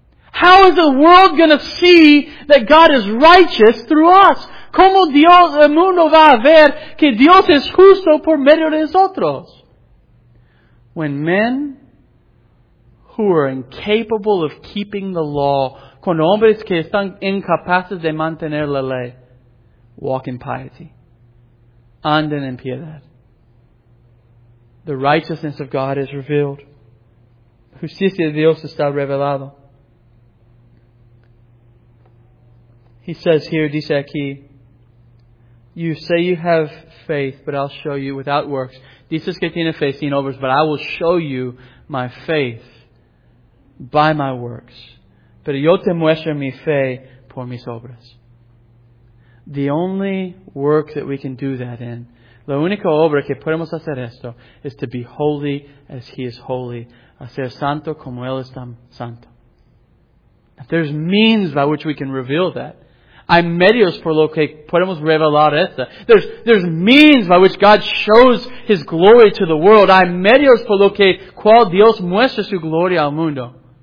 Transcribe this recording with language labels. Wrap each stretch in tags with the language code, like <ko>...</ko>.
<en>How is the world going to see that God is righteous through us?</en> <es>¿Cómo Dios, el mundo va a ver que Dios es justo por medio de nosotros?</es> <en>When men who are incapable of keeping the law,</en> <es>cuando hombres que están incapaces de mantener la ley,</es> <en>walk in piety,</en> <es>andan en piedad.</es> <en>The righteousness of God is revealed.</en> <es>Justicia de Dios está revelado.</es> <en>He says here,</en> <es>dice aquí,</es> <en>you say you have faith, but I'll show you without works.</en> <es>Dices que tiene fe sin obras,</es> <en>but I will show you my faith by my works.</en> <es>Pero yo te muestro mi fe por mis obras.</es> <en>The only work that we can do that in,</en> <es>la única obra que podemos hacer esto,</es> <en>is to be holy as He is holy.</en> <es>Hacer santo como Él es tan santo.</es> <en>If there's means by which we can reveal that,</en> <es>hay medios por lo que podemos revelar esto.</es> <en>There's means by which God shows His glory to the world.</en> <es>Hay medios por lo que cual Dios muestra su gloria al mundo.</es>